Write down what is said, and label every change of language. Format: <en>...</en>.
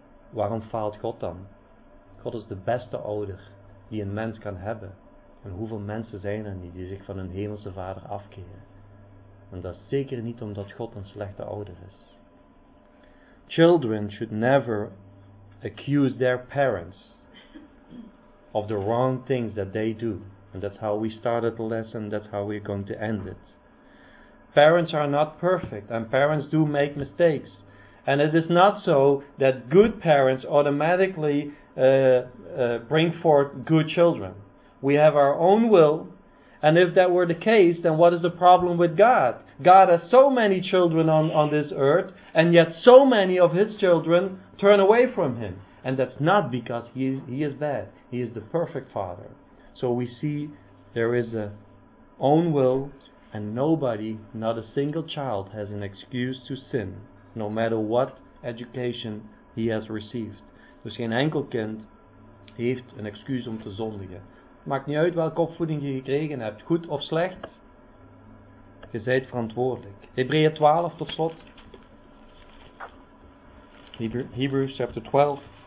<nl>Waarom faalt God dan? God is de beste ouder die een mens kan hebben. En hoeveel mensen zijn er niet die zich van hun hemelse vader afkeren? En dat is zeker niet omdat God een slechte ouder is.</nl> <en>Children should never accuse their parents of the wrong things that they do. And that's how we started the lesson, that's how we're going to end it. Parents are not perfect, and parents do make mistakes. And it is not so that good parents automatically bring forth good children. We have our own will, and if that were the case, then what is the problem with God? God has so many children on this earth, and yet so many of his children turn away from him. And that's not because he is bad. He is the perfect father. So we see there is a own will. And nobody, not a single child, has an excuse to sin, no matter what education he has received.</en> <nl>Dus geen enkel kind heeft een excuus om te zondigen. Maakt niet uit welke opvoeding je gekregen hebt, goed of slecht. Je bent verantwoordelijk. Hebreeën 12 tot slot.</nl> <en>Hebrews chapter 12.</en>